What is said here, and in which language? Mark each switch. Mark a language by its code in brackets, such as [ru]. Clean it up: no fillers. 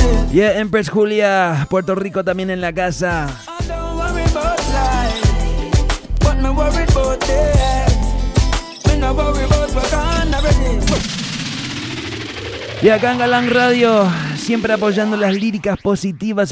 [es] Yeah, Empress Julia, Puerto Rico también en la casa. [en] I don't worry about life, but me worry about death. Me no worry about what kind of ready. [es] Y acá en Galán Radio, siempre apoyando las líricas positivas.